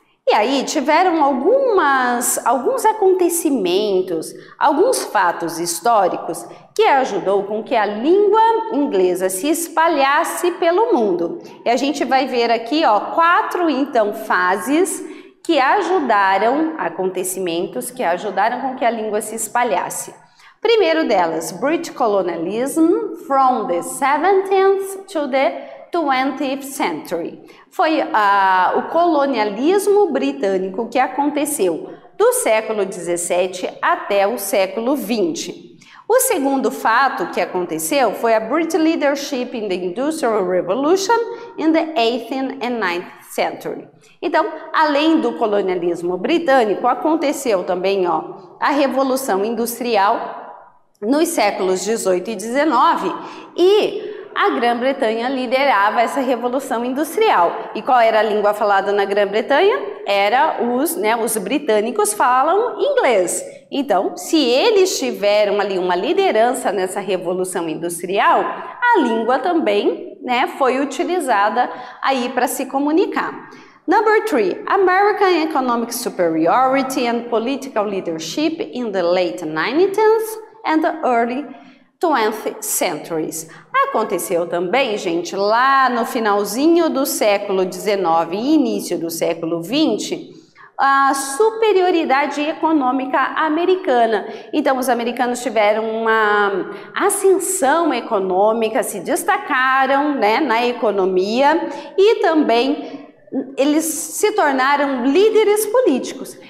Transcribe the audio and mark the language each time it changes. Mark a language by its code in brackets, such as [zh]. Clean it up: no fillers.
[pt] E aí tiveram alguns acontecimentos, alguns fatos históricos que ajudou com que a língua inglesa se espalhasse pelo mundo. E a gente vai ver aqui, ó, quatro, então, fases que ajudaram, acontecimentos que ajudaram com que a língua se espalhasse. Primeiro delas, [en] British colonialism from the 17th to the 20th century. [pt] Foi o colonialismo britânico que aconteceu do século 17 até o século 20. O segundo fato que aconteceu foi a [en] British leadership in the Industrial Revolution in the 18th and 19th century. [pt] Então, além do colonialismo britânico, aconteceu também, ó, a Revolução Industrial nos séculos 18 e 19, e a Grã-Bretanha liderava essa Revolução Industrial. E qual era a língua falada na Grã-Bretanha? Era os britânicos falam inglês. Então, se eles tiveram ali uma liderança nessa Revolução Industrial, a língua também, né, foi utilizada aí para se comunicar. [en] Number three, American economic superiority and political leadership in the late 19th and the early 20th centuries. [pt] Aconteceu também, gente, lá no finalzinho do século 19 e início do século 20, a superioridade econômica americana. Então, os americanos tiveram uma ascensão econômica, se destacaram, né, na economia, e também eles se tornaram líderes políticos.